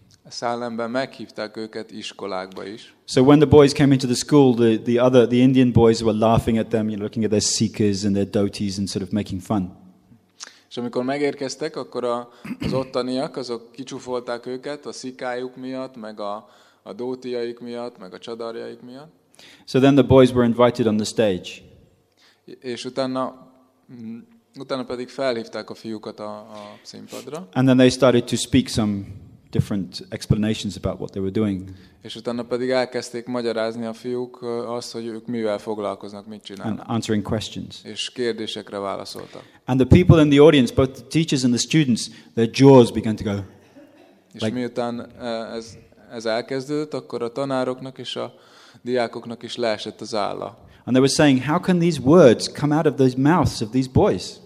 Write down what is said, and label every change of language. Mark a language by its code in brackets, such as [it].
[hu] Salemben meghívták őket iskolákba is. [en] So when the boys came into the school, the Indian boys were laughing at them, you know, looking at their sikhas and their dhotis and sort of making fun. [hu] És amikor megérkeztek, akkor az ottaniak, azok kicsúfolták őket a szikájuk miatt, meg a dhotijaik miatt, meg a csadarjaik miatt. [en] So then the boys were invited on the stage. [hu] És utána pedig felhívták a fiúkat a színpadra. [en] And then they started to speak some different explanations about what they were doing. [hu] És utána pedig elkezdték magyarázni a fiúk azt, hogy ők mivel foglalkoznak, mit csinálnak. [en] And answering questions. [hu] És kérdésekre válaszoltak. [en] And the people in the audience, both the teachers and the students, their jaws began to go. [hu] És like, miután ez elkezdődött, akkor a tanároknak és a diákoknak is leesett az álla. [en] And they were saying, how can these words come out of those mouths of these boys?